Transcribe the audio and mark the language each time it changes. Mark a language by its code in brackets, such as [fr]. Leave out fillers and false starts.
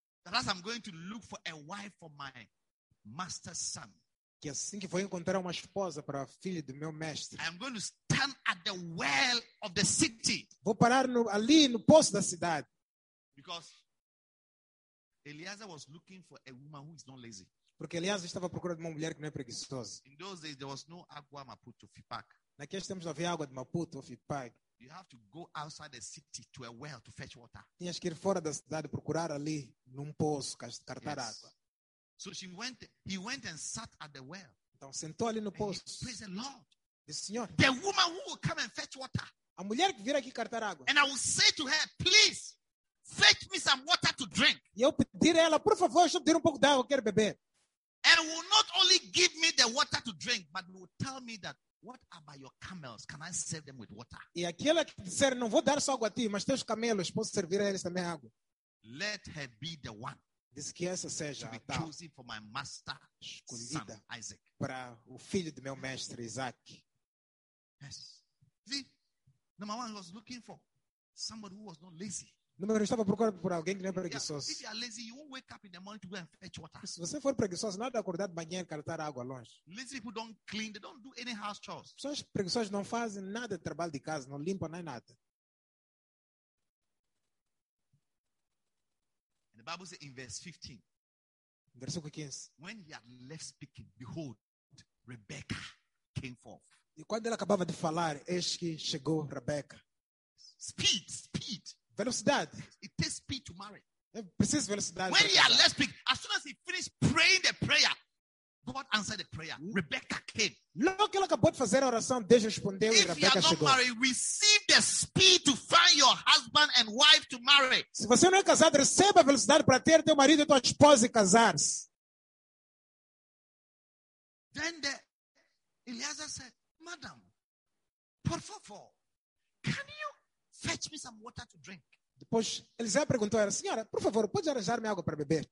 [en] That as I'm going to look for a wife for my master's son. [pt] Que assim que vou encontrar uma esposa para o filho do meu mestre. [en] I'm going to stand at the well of the city. [pt] Vou parar ali no poço da cidade. [en] Because Eliezer was looking for a woman who is not lazy. [pt] Porque Eliezer estava procurando uma mulher que não é preguiçosa. [en] In those days there was no agua Maputo Fipac. [pt] Naqueles tempos não havia água de Maputo Fipac. [en] You have to go outside the city to a well to fetch water. [pt] Tinhas que ir fora da cidade procurar ali num poço catar água. [en] So she went. He went and sat at the well. [pt] Então sentou ali no poço. [en] Praise the Lord. [pt] The Senhor. [en] The woman who will come and fetch water. [pt] A mulher que vira aqui catar água. [en] And I will say to her, please. Fetch me some water to drink. [pt] E eu pedir a ela, por favor, deixa eu ter um pouco de água, eu quero beber. [en] And will not only give me the water to drink, but will tell me that, what about your camels? Can I serve them with water? [pt] E aquela que disser, não vou dar só água a ti, mas teus camelos, posso servir a eles também água. [en] Let her be the one. [pt] Diz que essa seja [en] to be chosen for my master, [pt] escolhida [en] son Isaac. [pt] Para o filho do meu mestre, Isaac. [en] Yes. See, number one, was looking for somebody who was not lazy. [pt] Número estava procurando por alguém que não é preguiçoso. [en] If you are lazy, you won't wake up in the morning to go and fetch water. [pt] Se você for preguiçoso, nada acordar de manhã e catar água longe. [en] Lazy people don't clean, they don't do any house chores. [pt] Pessoas preguiçosas não fazem nada de trabalho de casa, não limpam nem nada. [en] And the Bible says in verse 15. [pt] Versículo 15. [en] When he had left speaking, behold, Rebecca came forth. [pt] E quando ele acabava de falar, eis que chegou Rebecca. [en] Speed, speed. [pt] Velocidade. [en] It takes speed to marry. [pt] É preciso velocidade. [en] When he had left speaking, as soon as he finished praying the prayer, God answered the prayer. Rebecca came. [pt] Logo que ele acabou de fazer a oração, Deus respondeu e Rebecca chegou. [en] If you are not married, receive the speed to find your husband and wife to marry. [pt] Se você não é casado, receba a velocidade para ter teu marido e tua esposa e casar-se. [en] Then the Eliezer said, Madam, [pt] por favor, [en] can you fetch me some water to drink. [pt] Depois, Eliezer perguntou a ela, Senhora, por favor, pode arranjar-me água para beber?